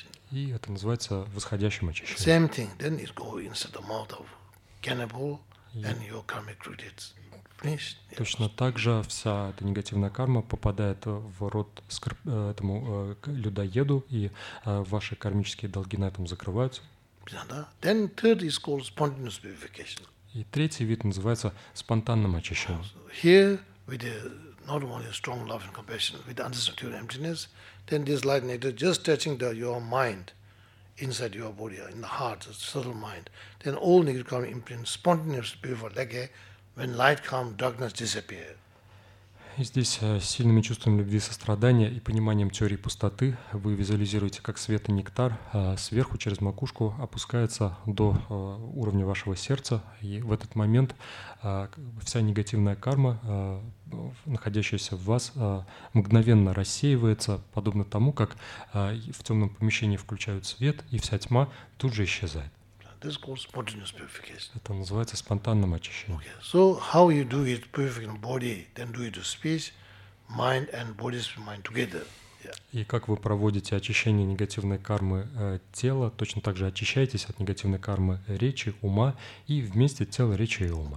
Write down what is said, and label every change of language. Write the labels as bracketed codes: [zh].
[ru] И это называется восходящим очищением. [en] Same thing. Then it goes inside the mouth of cannibal and your karmic credits. [ru] Точно так же вся эта негативная карма попадает в рот этому людоеду, и ваши кармические долги на этом закрываются. [en] Then third is called spontaneous purification. [ru] И третий вид называется спонтанным очищением. [en] Here, with the not only strong love and compassion, with the understanding of your emptiness, then this light nectar just touching your mind inside your body, in the heart, the subtle mind, then all negative karma imprint spontaneously before like a when light comes, darkness disappears. [ru] И здесь сильными чувствами любви, сострадания и пониманием теории пустоты вы визуализируете, как свет и нектар сверху через макушку опускается до уровня вашего сердца. И в этот момент вся негативная карма, находящаяся в вас, мгновенно рассеивается, подобно тому, как в темном помещении включают свет, и вся тьма тут же исчезает. [en] This is called spontaneous purification. [ru] Это называется спонтанным очищением. [en] Okay. So how you do it, purifying body, then do it with speech, mind and body, spirit, mind together. [ru] И как вы проводите очищение негативной кармы тела, точно так же очищаетесь от негативной кармы речи, ума и вместе тело, речи и ума.